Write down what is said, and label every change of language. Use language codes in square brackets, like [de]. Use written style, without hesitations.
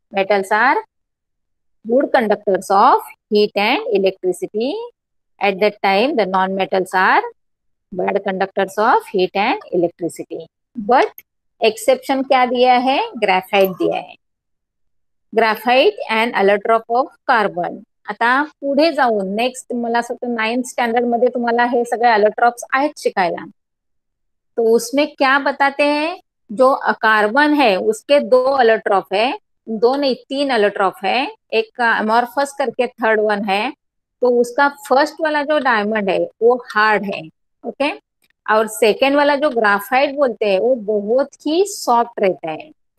[en] Metals are good conductors of heat and electricity. At that time the non metals are bad conductors of heat and electricity. [hi] But exception क्या दिया है, graphite दिया है. [en] Graphite and allotrope of carbon. [mr] आता पुढे जाऊन next, मला असं वाटतं 9th standard मध्ये तुम्हाला हे सगळे अलोट्रॉप्स आहेत शिकायला. [hi] तो उसमें क्या बताते हैं, जो कार्बन है उसके दो अलोट्रॉप है, दो नहीं 3 अलोट्रॉप है. एक अमॉर्फस करके थर्ड वन है, तो उसका फर्स्ट वाला जो डायमंड है वो हार्ड है. ओके, और सेकेंड वाला जो ग्राफाइट बोलते हैं वो बहुत ही सॉफ्ट रहता है.